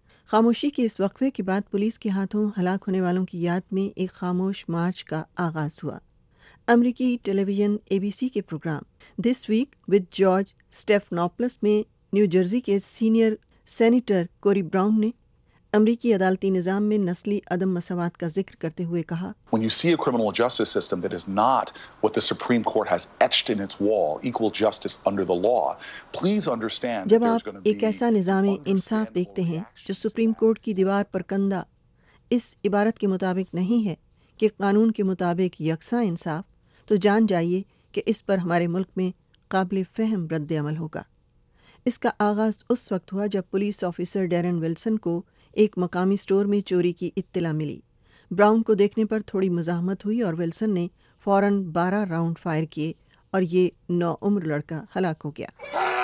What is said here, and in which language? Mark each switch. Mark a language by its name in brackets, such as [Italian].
[Urdu] خاموشی کے اس وقفے کے بعد پولیس کے ہاتھوں ہلاک ہونے والوں کی یاد میں ایک خاموش مارچ کا آغاز ہوا۔ امریکی ٹیلی ویژن ABC کے program this week with George سٹیفانوپولس میں نیو جرسی کے سینئر سینیٹر کوری براؤن نے امریکی عدالتی نظام میں نسلی عدم مساوات کا ذکر کرتے ہوئے کہا، [English] When you see a criminal justice system that is not what the Supreme Court has etched in its wall, equal justice under the law, please understand [Urdu] جب آپ ایک ایسا نظام انصاف دیکھتے ہیں جو سپریم کورٹ کی دیوار پر کندہ اس عبارت کے مطابق نہیں ہے کہ قانون کے مطابق یکساں انصاف، تو جان جائیے کہ اس پر ہمارے ملک میں قابل فہم رد عمل ہوگا۔ اس کا آغاز اس وقت ہوا جب پولیس آفیسر ڈیرن ویلسن کو ایک مقامی سٹور میں چوری کی اطلاع ملی۔ براؤن کو دیکھنے پر تھوڑی مزاحمت ہوئی اور ویلسن نے فوراً 12 راؤنڈ فائر کیے اور یہ 9 عمر لڑکا ہلاک ہو گیا۔